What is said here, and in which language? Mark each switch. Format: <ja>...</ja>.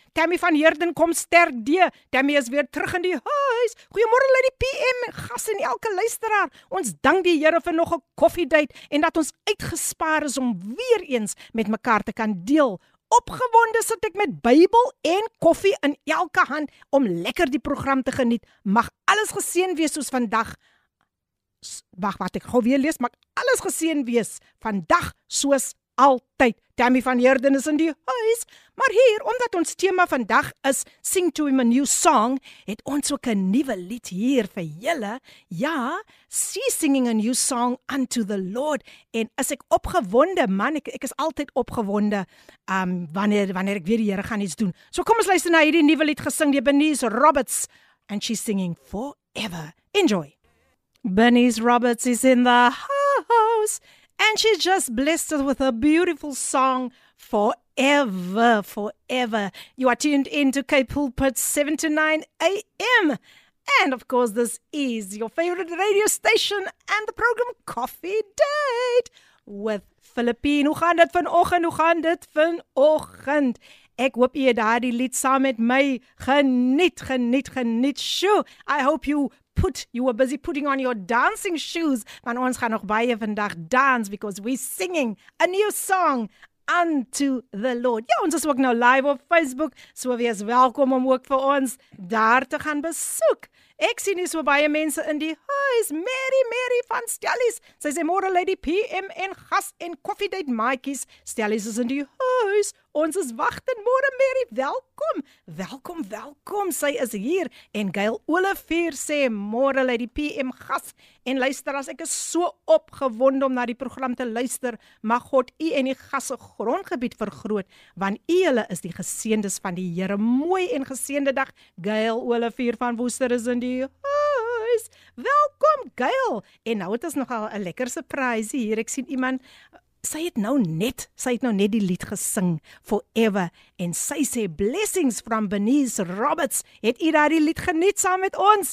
<af>Tammy van Heerden kom sterk deur. Tammy is weer terug in die huis. Goeiemôre aan die PM, gas en elke luisteraar. Ons dank die Here vir nog 'n koffiedייט en dat ons uitgespaar is om weer eens met mekaar te kan deel Opgewonde sit ek met Bybel en koffie in elke hand om lekker die program te geniet. Mag alles geseën wees soos vandag. Mag alles geseën wees vandag soos altyd. Tammy van Heerden is in die huis. Maar hier, omdat ons tema vandag is</af> <en>Sing to Him a New Song,</en> <af>het ons ook 'n nuwe lied hier vir julle.</af> <en>Ja, See Singing a New Song Unto the Lord.</en> <af>En as ek opgewonde, man, ek is altyd opgewonde wanneer ek weer die Here gaan iets doen. So kom ons luister na hierdie nuwe lied gesing deur Bernice Roberts</af> <en>and she's singing Forever. Enjoy. Bernice Roberts is in the house. And she just blessed us with a beautiful song, Forever, Forever. You are tuned in to K-Pulpit 7 to 9 a.m. And of course, this is your favorite radio station and the program Coffee Date with Philippine.</en> <af>Hoe gaan dit vanoggend? Hoe gaan dit vanoggend? Ek hoop jy daardie lied saam met my geniet. Shoo.</af> <en>I hope you were busy putting on your dancing shoes.</en> <af>Van ons gaan nog baie vandag</af> <en>dance because we're singing a new song unto the Lord.</en> <af>Ja, ons is ook nou live op Facebook, so wees welkom om ook vir ons daar te gaan besoek. Ek sien hier so baie mense in die huis. Mary van Stellies. Sy sê môre Lady PM en gas en Coffee Date maatjies. Stellies is in die huis. Ons is wagtend. Môre Mary, welkom. Welkom. Sy is hier. En Gail Olivier sê môre Lady PM gas en luister as ek is so opgewonde om na die program te luister. Mag God u en die gasse grondgebied vergroot want u hulle is die geseëndes van die Here. Mooi en geseënde dag. Gail Olivier van Woester is in die huis. Welkom, Gail. En nou het ons nogal 'n lekker surprise hier. Ek sien iemand, sy het nou net die lied gesing, Forever. En sy sê,</af> <en>blessings from Bernice Roberts.</en> <af>Het u daar die lied geniet saam met ons?</af>